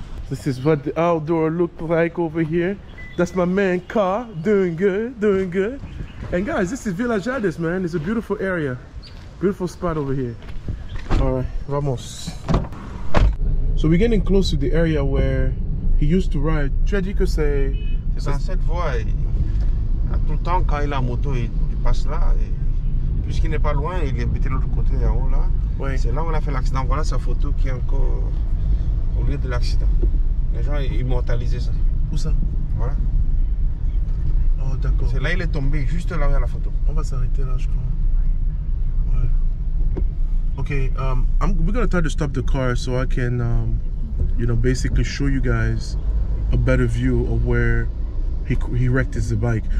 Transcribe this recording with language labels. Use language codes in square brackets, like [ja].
[en] This is what the outdoor looked like over here. That's my man, Car, doing good, doing good. And guys, this is Villa Jadis, man. It's a beautiful area, beautiful spot over here. All right, vamos. So we're getting close to the area where he used to ride. [fr] Tragique, c'est dans cette voie. À tout le temps, quand il a moto, il passe là. Puisqu'il n'est pas loin, il est habité de l'autre côté, en haut là. Oui. C'est là où on a fait l'accident. Voilà sa photo qui est encore au lieu de l'accident. Les gens immortalisaient ça. Où ça? Voilà. Oh, d'accord. C'est là il est tombé, juste là vers la photo. On va s'arrêter là, je crois. Ouais. [en] Okay, we're gonna try to stop the car so I can, you know, basically show you guys a better view of where he wrecked his bike.